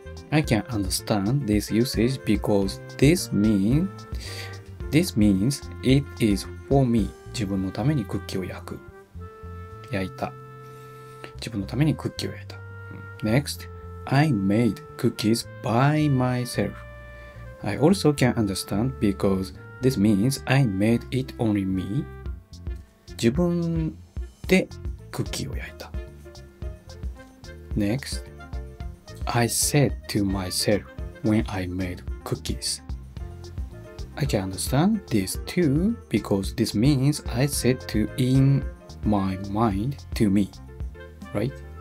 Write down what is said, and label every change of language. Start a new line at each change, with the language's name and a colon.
English: I can understand this usage because this means it is for me.
Japanese: 自分のためにクッキーを焼く。焼いた。自分のためにクッキーを焼いた。
English: Next, I made cookies by myself. I also can understand because this means I made it only me.
Japanese: 自分でクッキーを焼いた。
English: Next, I said to myself when I made cookies. I can understand this too because this means I said to in my mind to me. Right?